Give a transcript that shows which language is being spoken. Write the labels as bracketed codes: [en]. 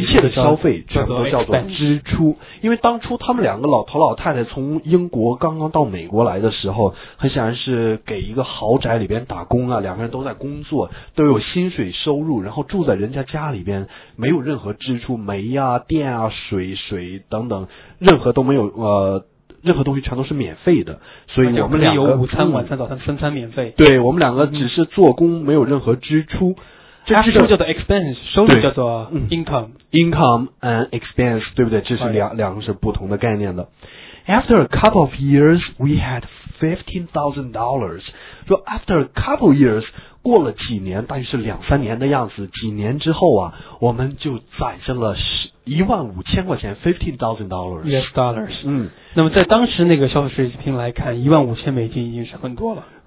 [zh] 一切的消费全部都叫做支出。因为当初他们两个老头老太太从英国刚刚到美国来的时候，很显然是给一个豪宅里边打工啊，两个人都在工作，都有薪水收入，然后住在人家家里边，没有任何支出，煤啊、电啊、水等等，任何都没有任何东西全都是免费的，所以我们两个有午餐、晚餐、早餐、三餐免费。对，我们两个只是做工，没有任何支出。这支出叫做 expense， 收入叫做 income。 [en] Income and expense， [zh] 对不对？这是两个是不同的概念的。 [en] After a couple of years, we had $15,000. [zh] 说 [en] after a couple years， [zh] 过了几年，大约是两三年的样子。几年之后啊，我们就攒下了15,000块钱 [en] ,$15,000. Yes, [zh] 那么在当时那个消费水平来看，15,000美金已经是很多了。